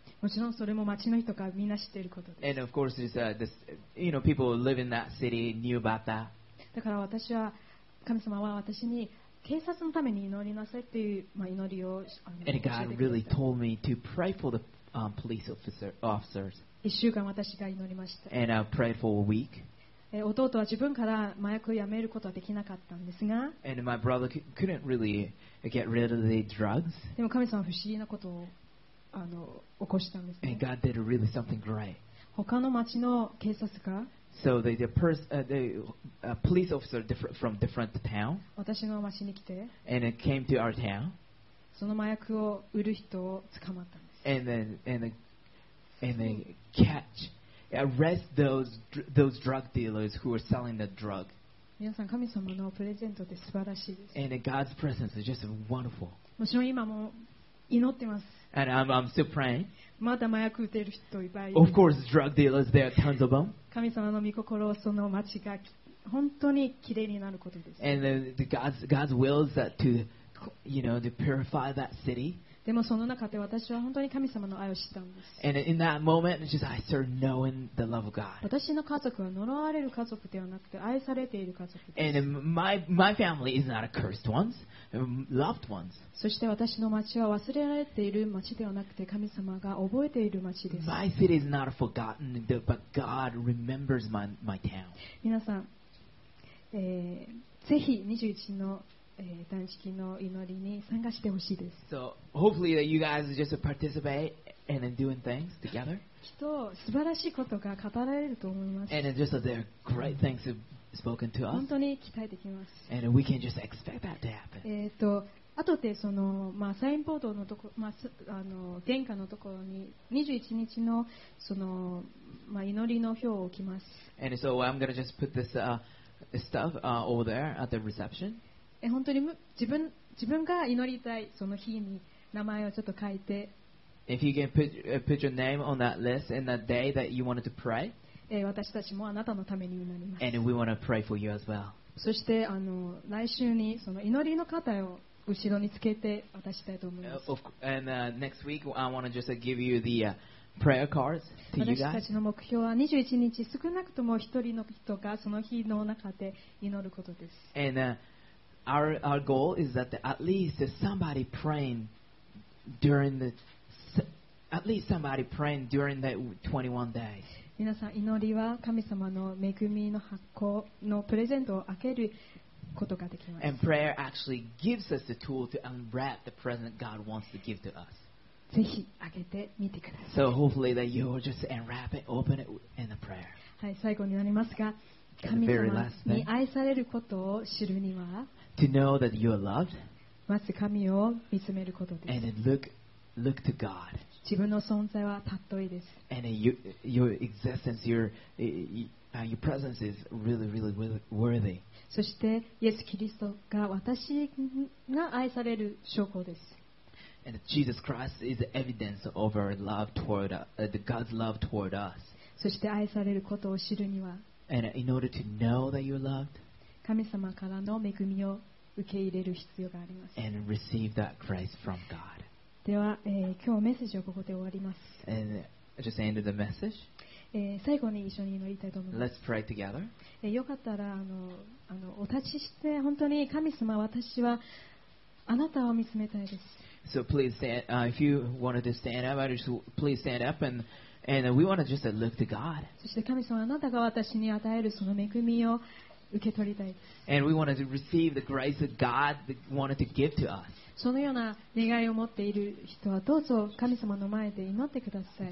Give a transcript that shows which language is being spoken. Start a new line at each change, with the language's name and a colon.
Japanese: もちろんそれも町の人がみんな知っていることです。
English: And of course, it's this, you know, people who live in that city knew about that.
Japanese: だから私は神様は私に警察のために祈りなさいっていう、まあ、祈りを
English: And God really told me to pray for thePolice officers.
Japanese: 一週間私が祈りました。
English: And I prayed for a week.
Japanese: 弟は自分から麻薬をやめることはできなかったんですが。
English: And my brother couldn't really get rid of the drugs.
Japanese: でも神様は不思議なことを起こしたんですね。
English: And God did really something great.
Japanese: 他の町の警察が。
English: So the police officer from different town.
Japanese: 私の町に来て。
English: And it came to our town.
Japanese: その麻薬を売る人を捕まったんです。
English: And then catch, arrest those drug dealers who were selling the drug.
Japanese: 皆さん神様のプレゼントって素晴らしいです。
English: And God's presence is just wonderful.
Japanese: もちろん今も祈ってます。
English: And I'm still praying.
Japanese: まだ麻薬売ってる人いっぱい。
English: Of course, drug dealers, there are tons of them.
Japanese: 神様の御心をその町が本当にきれいになることです。
English: And then God's will is that to, you know, to purify that city.
Japanese: でもその中で私は本当に神様の愛を知ったんです。
English: And in that moment, just I started knowing the love of God.
Japanese: 私の家族は呪われる家族ではなくて愛されている家族です。
English: And my family is not a cursed ones, loved ones.
Japanese: そして私の町は忘れられている町ではなくて神様が覚えている町です。
English: My city is not forgotten, but God remembers my town.
Japanese: 皆さん、ぜひ21の断食の祈りに参加してほしいです。
English: So hopefully that you guys just participate and then doing things together.
Japanese: きっと素晴らしいことが語られると思います。
English: And just that there are great things spoken to us.
Japanese: 本当に期待できます。
English: And we can just expect that to happen.
Japanese: あとでそのまあサインボードのとこまああの玄関のところに21日のそのまあ祈りの表を置きます。
English: And so I'm gonna just put this stuff over there at the reception.
Japanese: 本当に自分が祈りたいその日に名前をちょっと書いて。
English: If you can put your name on that list and that day that you wanted to pray.
Japanese: 私たちもあなたのために祈ります。
English: And we want to pray for you as well.
Japanese: そしてあの来週にその祈りの肩を後ろにつけて渡したいと思います。
English: And next week I want to just give you the prayer cards to you guys.
Japanese: 私たちの目標は21日少なくとも一人の人がその日の中で祈ることです。
English: And Our goal is that at least somebody praying during the at least somebody praying during that 21 days.
Japanese: 皆さん祈りは神様の恵みの発行のプレゼントを開けることができます。
English: And prayer actually gives us the tool to unwrap the present God wants to give to us.
Japanese: ぜひ開けてみてください。
English: So hopefully that you will just unwrap it, open it in a prayer.
Japanese: はい、最後になりますが、神様に愛されることを知るには。
English: To know that you are loved,
Japanese: まず神を見つめることです。
English: And look to God.
Japanese: 自分の存在はたっといです。
English: And your existence, your presence is really, really worthy.
Japanese: そしてイエス・キリストが私が愛される証拠です。
English: And Jesus Christ is the evidence of our love toward God's love toward us.
Japanese: そして愛されることを知るには、
English: And in order to know that you are loved.
Japanese: 神様からの恵みを受け入れる必要があります。
English: And receive that grace from God.
Japanese: では、今日メッセージをここで終わります。
English: And just end the message.
Japanese: 最後に一緒に祈りたいと思います。
English: Let's pray together.
Japanese: よかったらあのお立ちして本当に神様私はあなたを見つめたいです。
English: So please stand, if you wanted to stand up, I just please stand up and we want to just look to God.
Japanese: そして神様あなたが私に与えるその恵みを受け取りたいです。
English: And we wanted to receive the grace that God wanted to give to us.
Japanese: そのような願いを持っている人はどうぞ神様の前で祈ってください。